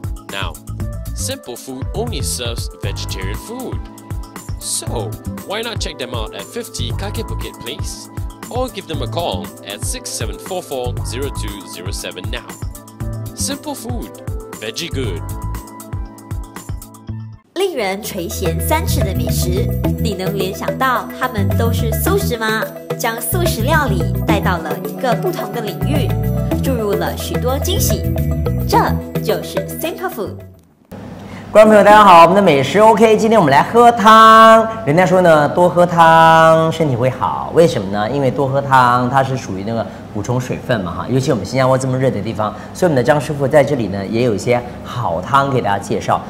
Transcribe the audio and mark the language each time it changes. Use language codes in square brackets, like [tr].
[en] Now, Simple Food only serves vegetarian food. So, why not check them out at 50 Kaki Bukit Place or give them a call at 6744-0207 now. Simple Food, Veggie Good. [zh] 令人垂涎三尺的美食，你能联想到他们都是素食吗？将素食料理带到了一个不同的领域，注入了许多惊喜。这就是 Simple Food。观众朋友大家好，我们的美食 OK， 今天我们来喝汤。人家说呢，多喝汤身体会好，为什么呢？因为多喝汤它是属于那个补充水分嘛，尤其我们新加坡这么热的地方，所以我们的张师傅在这里呢也有一些好汤给大家介绍。